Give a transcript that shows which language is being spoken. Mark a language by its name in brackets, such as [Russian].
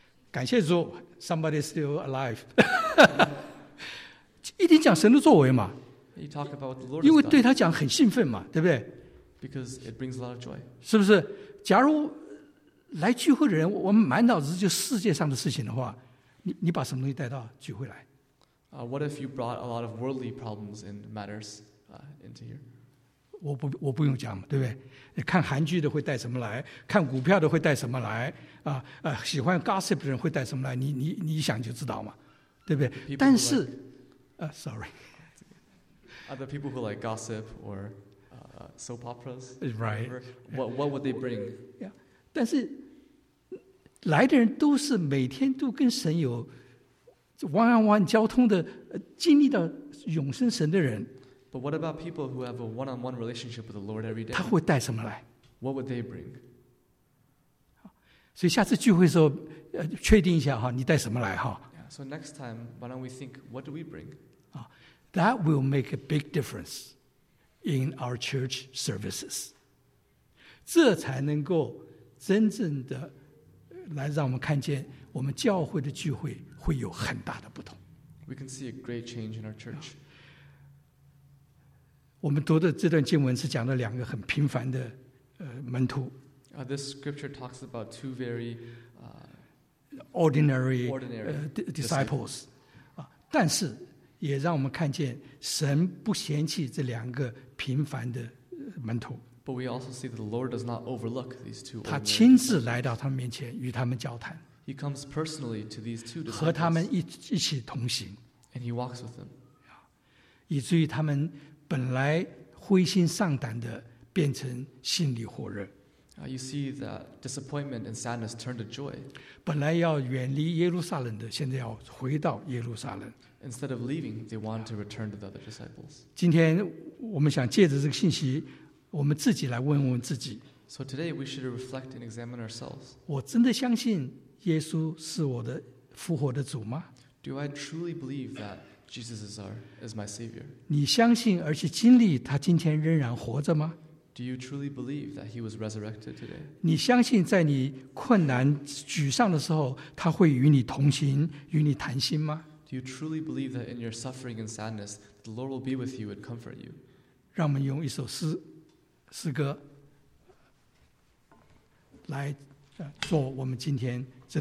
[Chinese] 感谢主 [English] Somebody is still alive [Chinese] 一定讲神的作为嘛 [English] You talk about the Lord [Chinese] 因为对他讲很兴奋嘛对不对 [English] Because it brings a lot of joy [Chinese] 是不是假如来聚会的人我们满脑子就世界上的事情的话 你把什么东西带到聚会来 [English] What if you brought a lot of worldly problems and matters into here? [Chinese] 我不用讲嘛，对不对？看韩剧的会带什么来？看股票的会带什么来？喜欢 gossip 的人会带什么来？你想就知道嘛，对不对？ [English] People、但是， like, sorry. Are the people who like gossip or soap operas? Right. What would they bring? [Chinese] Yeah. 但是来的人都是每天都跟神有 one-on-one 交通的，经历到永生神的人。 [English] But what about people who have a one-on-one relationship with the Lord every day? [Chinese] 他会带什么来 [English] ？What would they bring? [Chinese] 所以下次聚会的时候，确定一下哈，你带什么来哈 [English] ？So next time, why don't we think what do we bring? That will make a big difference in our church services. [Chinese] 这才能够真正的来让我们看见我们教会的聚会会有很大的不同。 [English] We can see a great change in our church. [Chinese] 我们读的这段经文是讲了两个很平凡的门徒。 [English] This scripture talks about two very ordinary disciples. [Chinese] 但是也让我们看见神不嫌弃这两个平凡的门徒。 [English] But we also see that the Lord does not overlook these two. [Chinese] 他亲自来到他们面前与他们交谈。 [English] He comes personally to these two disciples. [Chinese] 和他们一起同行。 [English] And he walks with them. [Chinese] 以至于他们本来灰心丧胆的变成心里火热。 [English] You see the disappointment and sadness turned to joy. [Chinese] 本来要远离耶路撒冷的现在要回到耶路撒冷。 [English] Instead of leaving, they want to return to the other disciples. [Chinese] 今天我们想借着这个信息我们自己来问问自己。 [English] So today we should reflect and examine ourselves. [Chinese] 我真的相信耶稣是我的复活的主吗？ [English] Do I truly believe that Jesus is my Savior? [Chinese] 你相信而且经历他今天仍然活着吗？ [English] Do you truly believe that he was resurrected today? [Chinese] 你相信在你困难沮丧的时候，他会与你同行，与你谈心吗？ [English] Do you truly believe that in your suffering and sadness, the Lord will be with you and comfort you? [Chinese] 让我们用一首诗歌来做我们今天这段。